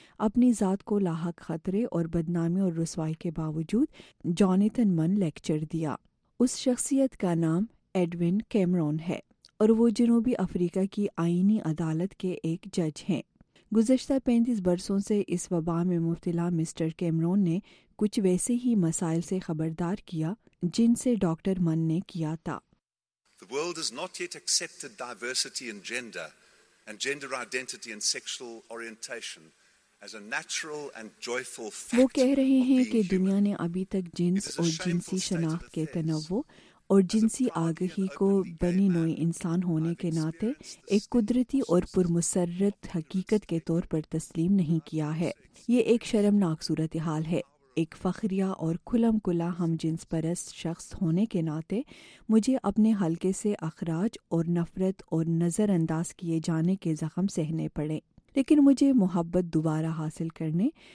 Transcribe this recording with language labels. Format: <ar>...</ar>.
<ur>اپنی ذات کو لاحق خطرے اور بدنامی اور رسوائی کے باوجود جوناتھن من لیکچر دیا۔ اس شخصیت کا نام ایڈوین کیمرون ہے اور وہ جنوبی افریقہ کی آئینی عدالت کے ایک جج ہیں۔ گزشتہ 35 برسوں سے اس وبا میں مبتلا مسٹر کیمرون نے کچھ ویسے ہی مسائل سے خبردار کیا جن سے ڈاکٹر من نے کیا تھا۔</ur> <en>The world has not yet accepted diversity in gender and gender identity and sexual orientation as a natural and joyful fact.</en> <ur>وہ کہہ رہے ہیں کہ دنیا نے ابھی تک جنس اور جنسی شناخت کے تنوع اور جنسی آگہی کو بنی نوع انسان ہونے کے ناطے ایک قدرتی اور پرمسرت حقیقت کے طور پر تسلیم نہیں کیا ہے۔ یہ ایک شرمناک صورتحال ہے۔ ایک فخریہ اور کھلم کھلا ہم جنس پرست شخص ہونے کے ناطے مجھے اپنے حلقے سے اخراج اور نفرت اور نظر انداز کیے جانے کے زخم سہنے پڑے، لیکن مجھے محبت دوبارہ حاصل کرنے</ur>